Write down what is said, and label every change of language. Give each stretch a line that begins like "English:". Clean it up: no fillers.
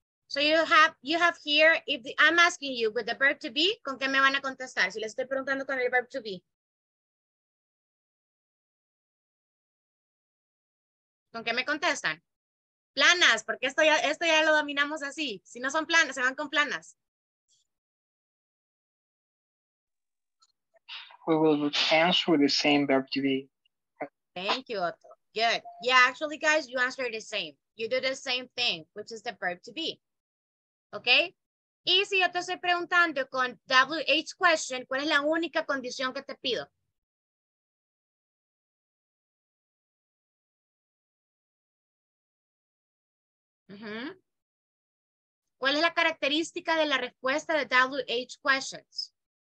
English: So you have here, if the, I'm asking you with the verb to be,
Spanish: ¿con qué me van a contestar? Si les estoy preguntando con el verb to be. ¿Con qué me contestan? Planas, porque esto ya lo dominamos así. Si no son planas, se van con planas.
English: We will answer the same verb to be. Thank you, Otto. Good. Yeah, actually, guys, you answer the same. You do the same thing, which is the verb to be. Okay?
Spanish: Y si yo te estoy preguntando con WH question, ¿cuál es la única condición que te pido? ¿Cuál es la característica de la respuesta de WH questions?